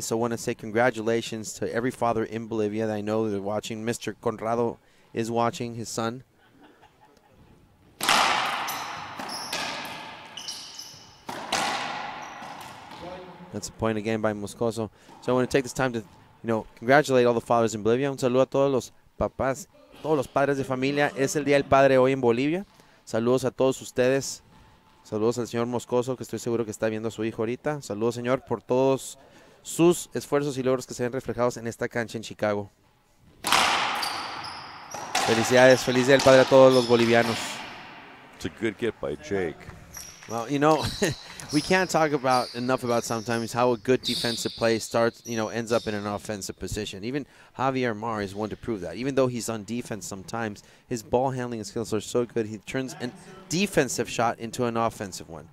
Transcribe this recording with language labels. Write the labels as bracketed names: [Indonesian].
[English] So I want to say congratulations to every father in Bolivia that I know they're watching. Mr. Conrado is watching his son. That's a point again by Moscoso. So I want to take this time to, you know, congratulate all the fathers in Bolivia. [Spanish] Un saludo a todos los papás, todos los padres de familia. Es el día del padre hoy en Bolivia. Saludos a todos ustedes. Saludos al señor Moscoso, que estoy seguro que está viendo a su hijo ahorita. Saludos, señor, por todos sus esfuerzos y logros que se ven reflejados en esta cancha en Chicago. Felicidades. Feliz día del padre a todos los bolivianos. [English] It's a good get by Jake. Well, you know, we can't talk about enough about sometimes how a good defensive play starts, you know, ends up in an offensive position. Even Javier Mar is one to prove that. Even though he's on defense sometimes, his ball handling skills are so good, he turns a defensive shot into an offensive one.